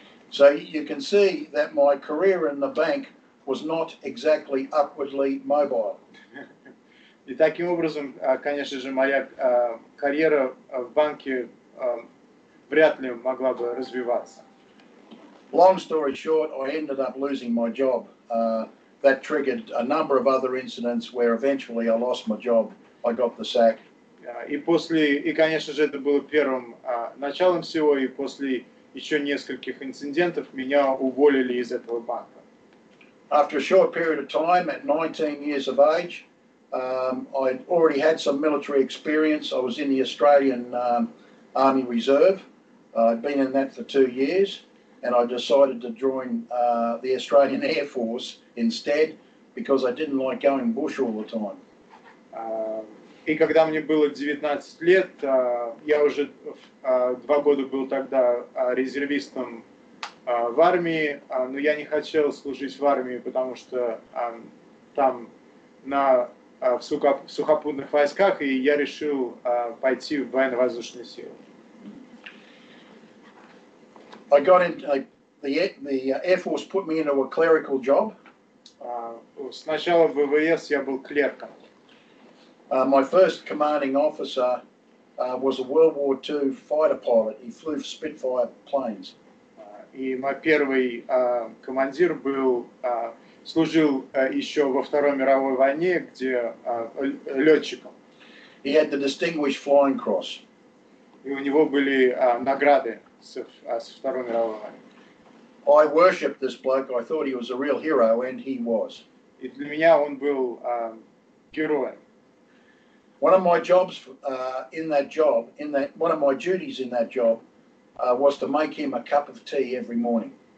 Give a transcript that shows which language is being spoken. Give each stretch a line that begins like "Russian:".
English: So you can see that my career in the bank was not exactly upwardly mobile.
Russian: И таким образом, конечно же, моя карьера в банке вряд ли могла бы развиваться.
English: Long story short, I ended up losing my job. That triggered a number of other incidents where eventually I lost my job. I got the sack.
Russian: И после, и конечно же, это было первым началом всего, и после еще нескольких инцидентов меня уволили из этого банка.
English: After a short period of time, at 19 years of age, I already had some military experience. I was in the Australian Army Reserve. I'd been in that for 2 years, and I decided to join the Australian Air Force instead because I didn't like going bush all the time.
Russian: И когда мне было 19 лет, я уже 2 года был тогда резервистом в армии, но я не хотел служить в армии, потому что там на в сухопутных войсках, и я решил пойти в военно-воздушные силы.
English: I got in, the Air Force put me into a clerical job.
Russian: Сначала в ВВС я был клерком.
English: My first commanding officer was a World War II fighter pilot. He flew Spitfire planes.
Russian: И мой первый командир был служил еще во Второй мировой войне, где летчиком.
English: He had the Distinguished Flying Cross.
Russian: И у него были награды со Второй мировой войны.
English: I worshipped this bloke. I thought he was a real hero, and he was.
Russian: И для меня он был героем.
English: One of my jobs in that job, in that one of my duties in that job, was to make him a cup of tea every morning.